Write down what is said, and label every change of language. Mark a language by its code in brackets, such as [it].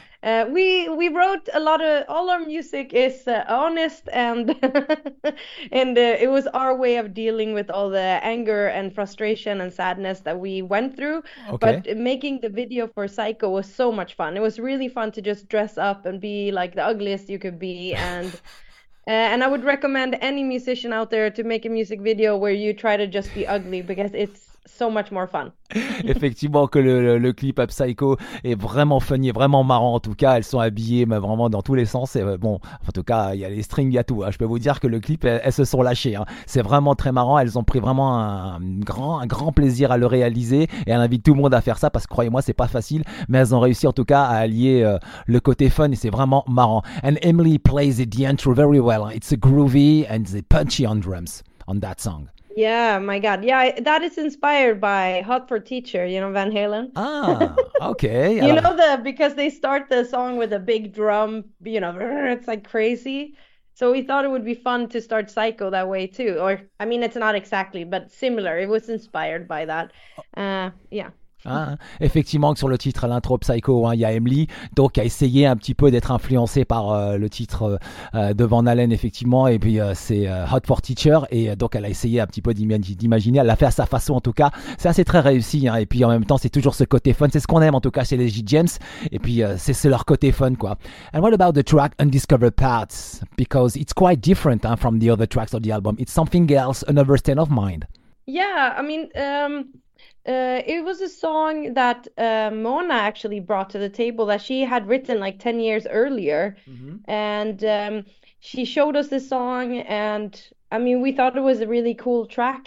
[en] We wrote a lot of all our music is honest and it was our way of dealing with all the anger and frustration and sadness that we went through. Okay. But making the video for Psycho was so much fun. It was really fun to just dress up and be like the ugliest you could be. And I would recommend any musician out there to make a music video where you try to just be ugly because it's so much more fun. [fr] Effectivement que le clip Up Psycho est vraiment funny, vraiment marrant en tout cas, elles sont habillées mais vraiment dans tous les sens et bon, en tout cas il y a les strings, il y a tout, hein. Je peux vous dire que le clip, elles se sont lâchées, hein. C'est vraiment très marrant, elles ont pris vraiment un grand plaisir à le réaliser et elles invitent tout le monde à faire ça parce que croyez-moi c'est pas facile, mais elles ont réussi en tout cas à allier le côté fun et c'est vraiment marrant. [en] And Emily plays the intro very well, it's a groovy and it's a punchy on drums on that song. Yeah, my God. Yeah, that is inspired by Hot for Teacher, you know, Van Halen. Ah, okay. You [fr] Alors, [en] know, the because they start the song with a big drum, you know, it's like crazy. So we thought it would be fun to start Psycho that way too. Or, I mean, it's not exactly, but similar. It was inspired by that. Yeah. [fr] hein, effectivement, que sur le titre à l'intro Psycho, hein, il y a Emily, donc a essayé un petit peu d'être influencée par le titre de Van Halen, effectivement, et puis c'est Hot for Teacher, et donc elle a essayé un petit peu d'imaginer, elle l'a fait à sa façon en tout cas, c'est assez très réussi, hein, et puis en même temps, c'est toujours ce côté fun, c'est ce qu'on aime en tout cas chez les G James, et puis c'est leur côté fun quoi. [en] And what about the track Undiscovered Paths? Because it's quite different hein, from the other tracks of the album, it's something else, another state of mind. Yeah, I mean, it was a song that Mona actually brought to the table that she had written like 10 years earlier. And she showed us the song. And I mean, we thought it was a really cool track.